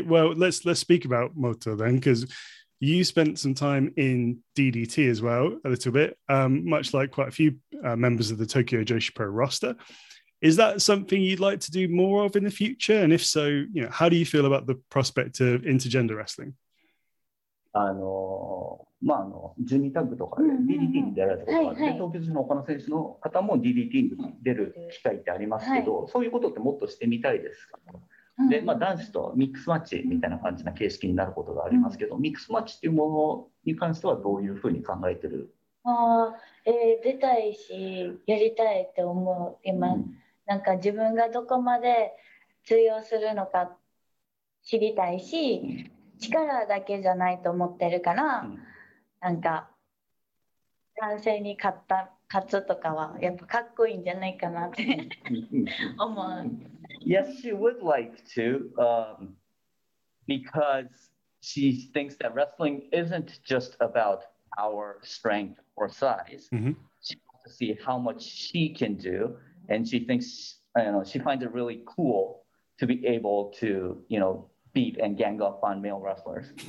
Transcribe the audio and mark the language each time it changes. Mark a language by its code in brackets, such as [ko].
[en] Well, let's speak about Moto then, because you spent some time in DDT as well, a little bit, much like quite a few members of the Tokyo Joshi Pro roster. Is that something you'd like to do more of in the future? And if so, you know, how do you feel about the prospect of intergender wrestling? [ja] まあ、あのジュニタッグとかで DDT に出られたことがあって、うんうん、東京女子の他の選手の方も DDT に出る機会ってありますけど、はい、そういうことってもっとしてみたいですか、うんうん、で、まあ、男子とミックスマッチみたいな感じな形式になることがありますけど、うんうん、ミックスマッチっていうものに関してはどういうふうに考えてる？出たいしやりたいって思う今、うん、なんか自分がどこまで通用するのか知りたいし、うん、力だけじゃないと思ってるから、うん、なんか男性に勝った勝つとかはやっぱかっこいいんじゃないかなって思う。 [en] Yes, she would like to, because she thinks that wrestling isn't just about power, strength, or size. Mm-hmm. She wants to see how much she can do, and she thinks, you know, she finds it really cool to be able to, you know, beat and gang up on male wrestlers.